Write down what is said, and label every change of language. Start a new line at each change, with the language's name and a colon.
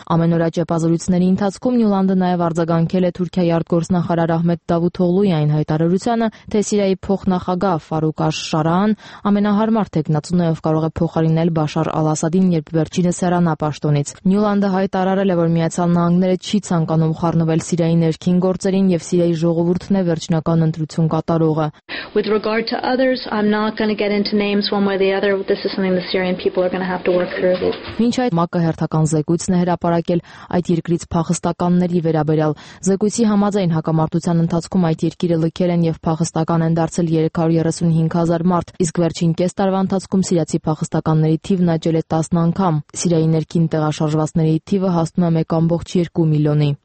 Armenian: Ամենօրյա ճեպազրույցների ընթացքում Նյուլանդը նաեւ արձագանքել է Թուրքիայի արտգործնախարար Ահմեդ Դավութողլուի այն հայտարարությանը, թե Սիրիայի փոխնախագահ Ֆարուկ Աշ-Շարան ամենահարմար թեկնածուն է, ով կարող է փոխարինել Բաշար Ալ-Ասադին, երբ վերջինս հեռանա պաշտոնից։ Նյուլանդը հայտարարել է, որ Միացյալ Նահանգները չի ցանկանում խառնվել Սիրիայի ներքին գործերին եւ Սիրիայի ժողովուրդն է վերջնական ընտրություն կատարողը։
English: With regard to others, I'm not going to get into names one way or the other. This is something the Syrian people are going to have to work through.
Armenian: Մինչ այդ ՄԱԿ-ը հերթական զեկույցն է հրապարակել այդ երկրից փախստականների վերաբերյալ։ Զեկույցի համաձայն հակամարտության ընթացքում այդ երկիրը լքել են եւ փախստական են դարձել 335,000 մարդ, իսկ վերջին կես տարվա ընթացքում սիրացի փախստականների թիվն աճել է 10 անգամ։ Սիրիայի ներքին տեղաշարժվածների թիվը հասնում է 1.2 միլիոնի։